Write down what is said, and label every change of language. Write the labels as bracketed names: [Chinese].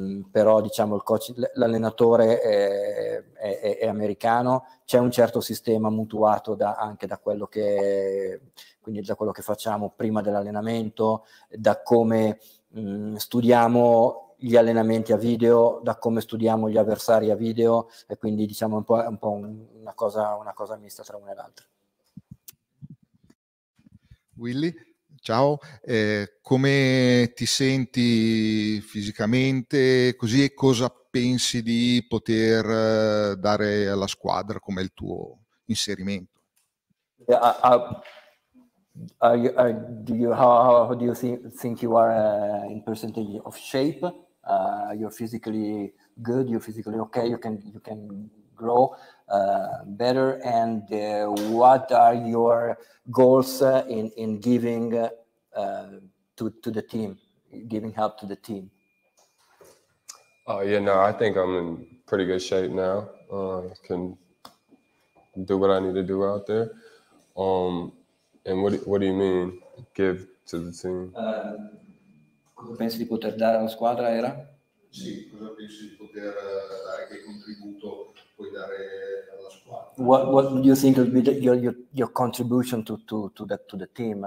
[Italian] però diciamo il coach, l'allenatore è americano, c'è un certo sistema mutuato da quello che facciamo prima dell'allenamento, da come studiamo gli allenamenti a video, da come studiamo gli avversari a video, e quindi diciamo è un po' una cosa mista tra una e l'altra. Willy, ciao, come ti senti fisicamente così, e cosa pensi di poter dare alla squadra come il tuo inserimento? [English] How do you think you are in percentage of shape? You're physically good, you're physically okay, you can grow better, and what are your goals in giving to the team, giving help to the team? I think I'm in pretty good shape now. Can do what I need to do out there. And what do you mean, give to the team? [Italian] Cosa pensi di poter dare alla squadra, era? Sì, cosa pensi di poter dare, che contributo puoi dare alla squadra? [English] What do you think will be your contribution to the team?